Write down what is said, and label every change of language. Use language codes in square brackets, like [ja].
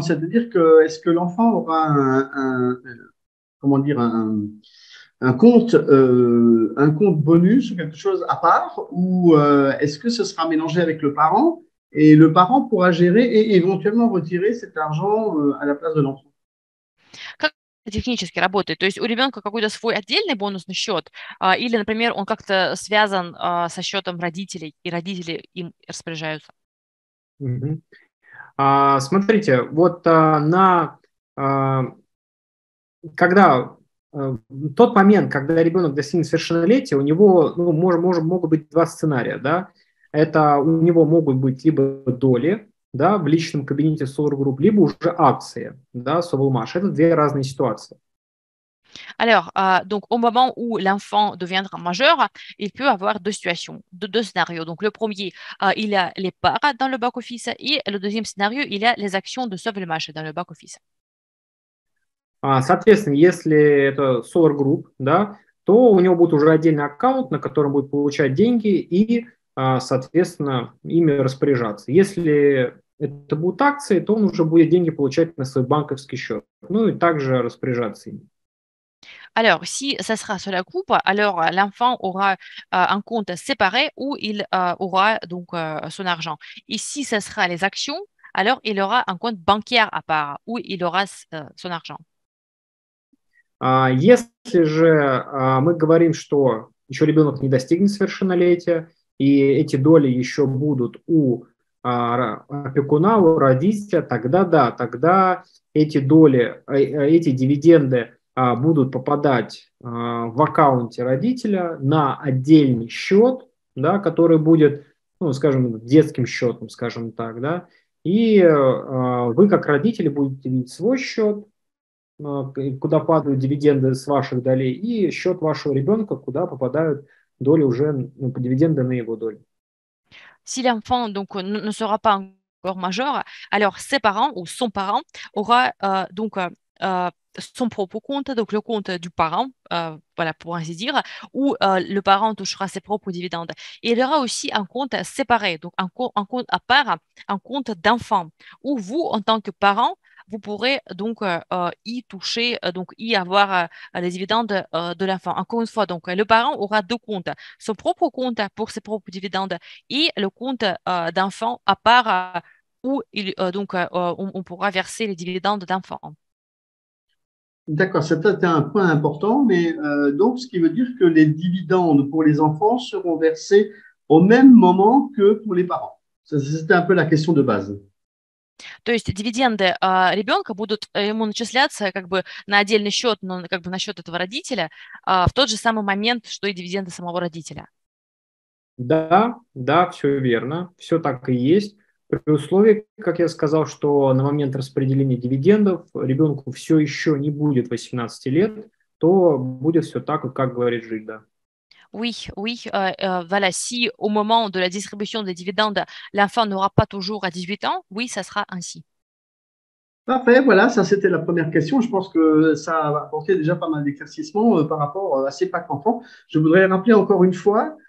[fr] C'est-à-dire que est-ce que l'enfant aura un compte bonus ou quelque chose à part, ou est-ce que ce sera mélangé avec le parent et le parent pourra gérer et éventuellement retirer cet argent à la place de l'enfant? [ru] Технически работает. То есть у ребенка какой-то свой отдельный бонусный счет, или, например, он как-то связан со счетом родителей, и родители им распоряжаются. Смотрите, вот на когда тот момент, когда ребенок достигнет совершеннолетия, у него могут быть два сценария. Да? Это у него могут быть либо доли, да, в личном кабинете Solar Group, либо уже акции, да, Sovelmash. Это две разные ситуации. [fr] Alors, donc au moment où l'enfant deviendra majeur, il peut avoir deux situations, deux scénarios. Donc le premier, il a les parts dans le back office, et le deuxième scénario, il a les actions de Sovelmash dans le back office. [ru] Соответственно, если это Solar Group, да, то у него будет уже отдельный аккаунт, на котором будет получать деньги и соответственно, ими распоряжаться. Если это будут акции, то он уже будет деньги получать на свой банковский счет, ну и также распоряжаться ими. [fr] Alors, si ça sera sur la coupe, alors l'enfant aura un compte séparé où il aura donc son argent. Et si ça sera les actions, alors il aura un compte bancaire à part où il aura son argent. [ru] Если же мы говорим, что еще ребенок не достигнет совершеннолетия, и эти доли еще будут у опекуна, у родителя, тогда да, тогда эти доли, эти дивиденды будут попадать в аккаунте родителя на отдельный счет, да, который будет, ну, скажем, детским счетом, скажем так, да, и вы как родители будете видеть свой счет, куда падают дивиденды с ваших долей, и счет вашего ребенка, куда попадают доли уже, ну, по дивиденды на его доли. [fr] Si l'enfant donc ne sera pas encore majeur, alors ses parents ou son parent aura donc son propre compte, donc le compte du parent, voilà, pour ainsi dire, où le parent touchera ses propres dividendes. Et il y aura aussi un compte séparé, donc un compte à part, un compte d'enfant, où vous, en tant que parent, vous pourrez donc y toucher, donc y avoir les dividendes de l'enfant. Encore une fois, donc le parent aura deux comptes, son propre compte pour ses propres dividendes et le compte d'enfant à part où il, donc, on pourra verser les dividendes d'enfant. D'accord, c'est peut-être un point important, mais donc ce qui veut dire que les dividendes pour les enfants seront versés au même moment que pour les parents. Ça, c'était un peu la question de base. [ru] То есть дивиденды ребенка будут ему начисляться как бы на отдельный счет, но как бы на счет этого родителя в тот же самый момент, что и дивиденды самого родителя. Да, да, все верно, все так и есть. При условии, как я сказал, что на момент распределения дивидендов ребенку все еще не будет 18 лет, то будет все так, как говорит Жиль, да. [fr] Oui, oui, voilà, si au moment de la distribution des dividendes, l'enfant n'aura pas toujours 18 ans, oui, ça sera ainsi. Parfait, voilà, ça c'était la première question. Je pense que ça va apporter déjà pas mal d'éclaircissements par rapport à ces packs enfants. Je voudrais rappeler encore une fois